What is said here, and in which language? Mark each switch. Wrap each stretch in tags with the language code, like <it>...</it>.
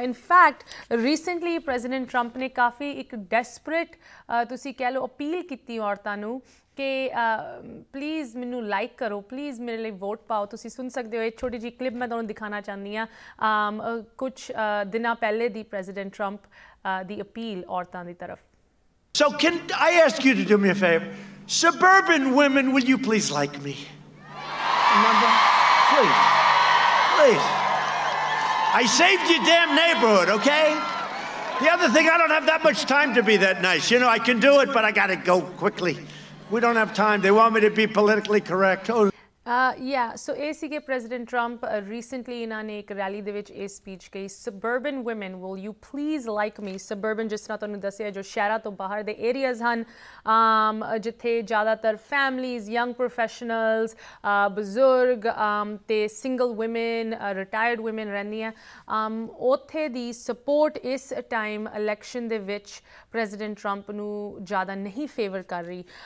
<pa>In fact recently president Trump ਨੇ ਕਾਫੀ ਇੱਕ desperate ਤੁਸੀਂ ਕਹਿ ਲਓ ਅਪੀਲ ਕੀਤੀ ਔਰਤਾਂ ਨੂੰ ਕਿ ਪਲੀਜ਼ ਮੈਨੂੰ ਲਾਈਕ ਕਰੋ, ਪਲੀਜ਼ ਮੇਰੇ ਲਈ ਵੋਟ ਪਾਓ। ਤੁਸੀਂ ਸੁਣ ਸਕਦੇ ਹੋ ਇਹ ਛੋਟੀ ਜਿਹੀ ਕਲਿੱਪ, ਮੈਂ ਤੁਹਾਨੂੰ ਦਿਖਾਉਣਾ ਚਾਹੁੰਦੀ ਹਾਂ ਕੁਛ ਦਿਨਾਂ ਪਹਿਲੇ ਦੀ ਪ੍ਰੈਜ਼ੀਡੈਂਟ ਟਰੰਪ ਦੀ ਅਪੀਲ ਔਰਤਾਂ ਦੀ ਤਰਫ।</pa> <en>So can I ask you to do me a favor? Suburban women, will you please like me? Number? Please. Please. I saved your damn neighborhood, okay? The other thing, I don't have that much time to be that nice. You know, I can do it, but I gotta go quickly. We don't have time. They want me to be politically correct. Oh.</en> <pa>So ਇਹ ਸੀਗੇ president Trump. Recently ਇਹਨਾਂ ਨੇ ਇੱਕ rally ਦੇ ਵਿੱਚ ਇਹ speech ਕਹੀ,</pa> <en>Suburban woman will you please like me.</en> <pa>Suburban ਜਿਸ ਤਰ੍ਹਾਂ ਤੁਹਾਨੂੰ ਦੱਸਿਆ ਜੋ ਸ਼ਹਿਰਾਂ ਤੋਂ ਬਾਹਰ ਦੇ ਏਰੀਆਜ਼ ਹਨ, ਜਿੱਥੇ ਜ਼ਿਆਦਾਤਰ ਫੈਮਲੀਜ਼, ਯੰਗ ਪ੍ਰੋਫੈਸ਼ਨਲਸ, ਬਜ਼ੁਰਗ ਅਤੇ ਸਿੰਗਲ ਵੁਮੈਨ, ਰਿਟਾਇਰਡ ਵੁਮੈਨ ਰਹਿੰਦੀਆਂ, ਉੱਥੇ ਦੀ ਸਪੋਰਟ ਇਸ ਟਾਈਮ ਇਲੈਕਸ਼ਨ ਦੇ ਵਿੱਚ ਪ੍ਰੈਜ਼ੀਡੈਂਟ ਟਰੰਪ ਨੂੰ ਜ਼ਿਆਦਾ ਨਹੀਂ ਫੇਵਰ ਕਰ ਰਹੀ।</pa>